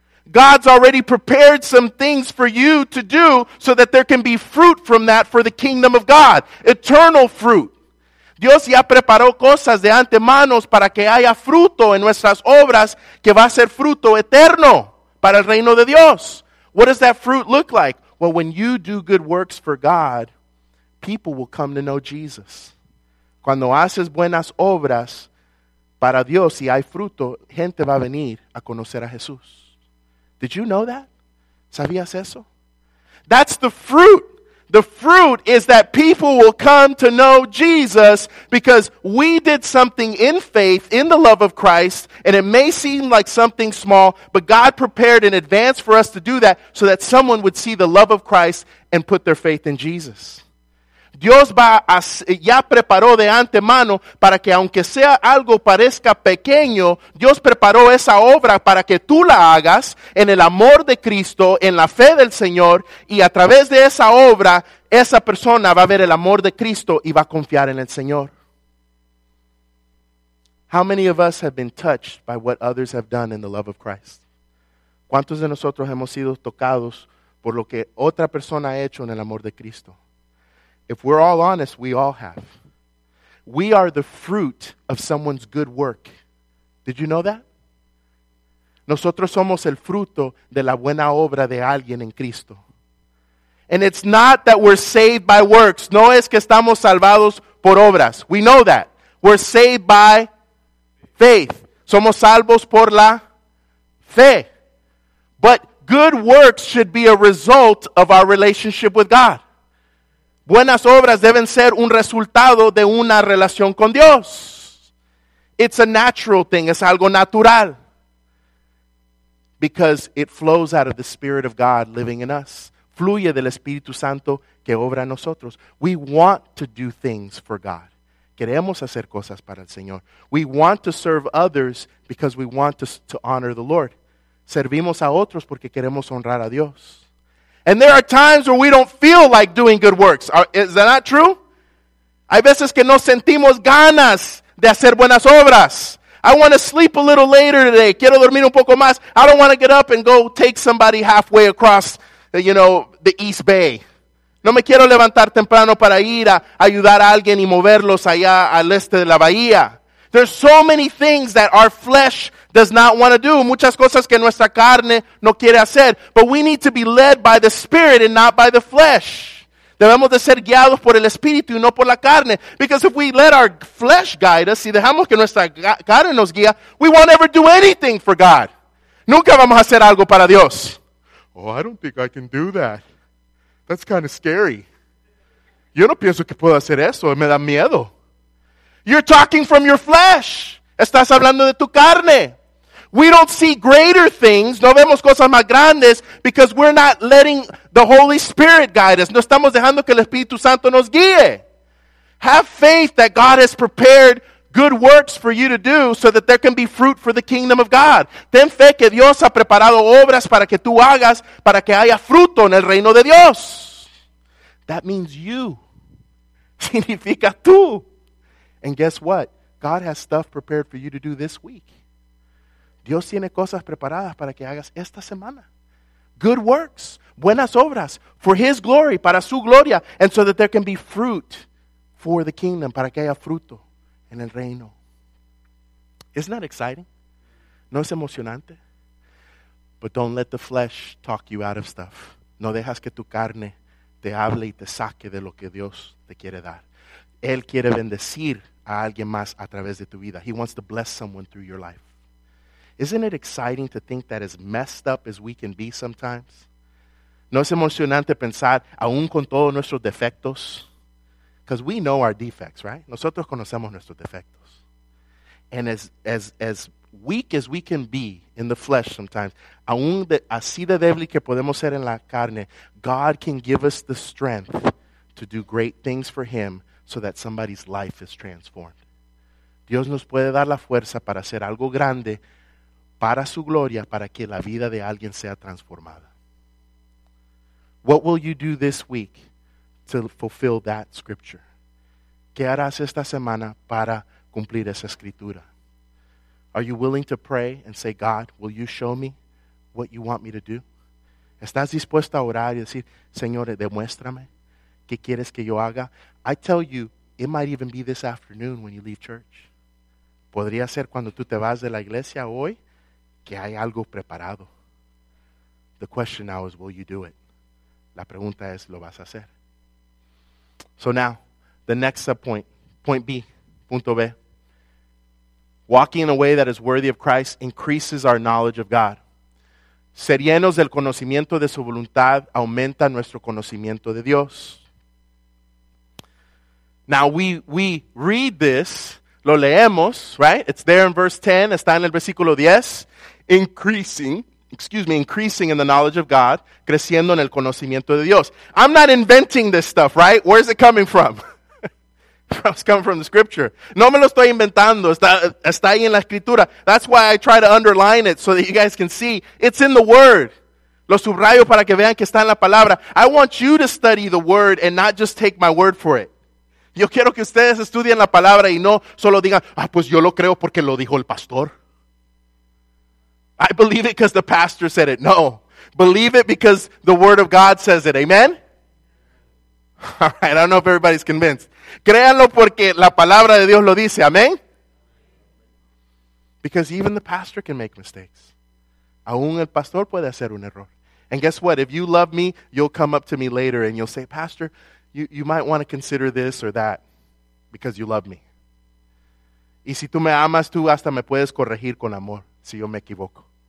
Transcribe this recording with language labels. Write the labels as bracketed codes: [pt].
[en] God's already prepared some things for you to do so that there can be fruit from that for the kingdom of God. Eternal fruit. [es] Dios ya preparó cosas de antemano para que haya fruto en nuestras obras que va a ser fruto eterno para el reino de Dios. [en] What does that fruit look like? Well, when you do good works for God, people will come to know Jesus. [es] Cuando haces buenas obras para Dios y hay fruto, gente va a venir a conocer a Jesús. [en] Did you know that? [es] ¿Sabías eso? [en] That's the fruit. The fruit is that people will come to know Jesus because we did something in faith, in the love of Christ, and it may seem like something small, but God prepared in advance for us to do that so that someone would see the love of Christ and put their faith in Jesus. [es] Dios ya preparó de antemano para que aunque sea algo parezca pequeño, Dios preparó esa obra para que tú la hagas en el amor de Cristo, en la fe del Señor, y a través de esa obra, esa persona va a ver el amor de Cristo y va a confiar en el Señor. [en] How many of us have been touched by what others have done in the love of Christ? [es] ¿Cuántos de nosotros hemos sido tocados por lo que otra persona ha hecho en el amor de Cristo? [en] If we're all honest, we all have. We are the fruit of someone's good work. Did you know that? [es] Nosotros somos el fruto de la buena obra de alguien en Cristo. [en] And it's not that we're saved by works. [es] No es que estamos salvados por obras. [en] We know that. We're saved by faith. [es] Somos salvos por la fe. [en] But good works should be a result of our relationship with God. [es] Buenas obras deben ser un resultado de una relación con Dios. [en] It's a natural thing. [es] Es algo natural. [en] Because it flows out of the Spirit of God living in us. [es] Fluye del Espíritu Santo que obra en nosotros. [en] We want to do things for God. [es] Queremos hacer cosas para el Señor. [en] We want to serve others because we want to honor the Lord. [es] Servimos a otros porque queremos honrar a Dios. [en] And there are times where we don't feel like doing good works. Is that not true? [es] Hay veces que no sentimos ganas de hacer buenas obras. [en] I want to sleep a little later today. [es] Quiero dormir un poco más. [en] I don't want to get up and go take somebody halfway across, you know, the East Bay. [es] No me quiero levantar temprano para ir a ayudar a alguien y moverlos allá al este de la bahía. [en] There's so many things that our flesh does not want to do. [es] Muchas cosas que nuestra carne no quiere hacer. [en] But we need to be led by the Spirit and not by the flesh. [es] Debemos de ser guiados por el Espíritu y no por la carne. [en] Because if we let our flesh guide us, [es] si dejamos que nuestra carne nos guía, [en] we won't ever do anything for God. [es] Nunca vamos a hacer algo para Dios. [en] Oh, I don't think I can do that. That's kind of scary. [es] Yo no pienso que pueda hacer eso. Me da miedo. [en] You're talking from your flesh. [es] Estás hablando de tu carne. [en] We don't see greater things, [es] no vemos cosas más grandes, [en] because we're not letting the Holy Spirit guide us. [es] No estamos dejando que el Espíritu Santo nos guíe. [en] Have faith that God has prepared good works for you to do so that there can be fruit for the kingdom of God. [es] Ten fe que Dios ha preparado obras para que tú hagas, para que haya fruto en el reino de Dios. [en] That means you. [es] Significa tú. [en] And guess what? God has stuff prepared for you to do this week. [es] Dios tiene cosas preparadas para que hagas esta semana. [en] Good works, [es] buenas obras, [en] for His glory, [es] para su gloria, [en] and so that there can be fruit for the kingdom, [es] para que haya fruto en el reino. [en] Isn't that exciting? [es] ¿No es emocionante? [en] But don't let the flesh talk you out of stuff. [es] No dejas que tu carne te hable y te saque de lo que Dios te quiere dar. Él quiere bendecir a alguien más a través de tu vida. [en] He wants to bless someone through your life. Isn't it exciting to think that as messed up as we can be sometimes? [es] ¿No es emocionante pensar, aún con todos nuestros defectos? [en] Because we know our defects, right? [es] Nosotros conocemos nuestros defectos. [en] And as weak as we can be in the flesh sometimes, [es] aún de, así de débil que podemos ser en la carne, [en] God can give us the strength to do great things for Him so that somebody's life is transformed. [es] Dios nos puede dar la fuerza para hacer algo grande para su gloria, para que la vida de alguien sea transformada. [en] What will you do this week to fulfill that scripture? [es] ¿Qué harás esta semana para cumplir esa escritura? [en] Are you willing to pray and say, God, will you show me what you want me to do? [es] ¿Estás dispuesto a orar y decir, Señor, demuéstrame qué quieres que yo haga? [en] I tell you, it might even be this afternoon when you leave church. [es] Podría ser cuando tú te vas de la iglesia hoy, que hay algo preparado. [en] The question now is, will you do it? [es] La pregunta es, ¿lo vas a hacer? [en] So now, the next sub-point, point B, [es] punto B. [en] Walking in a way that is worthy of Christ increases our knowledge of God. [es] Ser llenos del conocimiento de su voluntad aumenta nuestro conocimiento de Dios. [en] Now, we read this, [es] lo leemos, [en] right? It's there in verse 10, [es] está en el versículo 10. [en] Increasing in the knowledge of God, [es] creciendo en el conocimiento de Dios. [en] I'm not inventing this stuff, right? Where is it coming from? It's coming from the scripture. [es] No me lo estoy inventando, está ahí en la escritura. [en] That's why I try to underline it so that you guys can see. It's in the word. [es] Lo subrayo para que vean que está en la palabra. [en] I want you to study the word and not just take my word for it. [es] Yo quiero que ustedes estudien la palabra y no solo digan, ah, pues yo lo creo porque lo dijo el pastor. [en] I believe it because the pastor said it. No. Believe it because the word of God says it. Amen? All right. I don't know if everybody's convinced. [es] Créanlo porque la palabra de Dios lo dice. Amen? [en] Because even the pastor can make mistakes. [es] Aún el pastor puede hacer un error. [en] And guess what? If you love me, you'll come up to me later and you'll say, Pastor, you might want to consider this or that because you love me. [es] Y si tú me amas, tú hasta me puedes corregir con amor si yo me equivoco.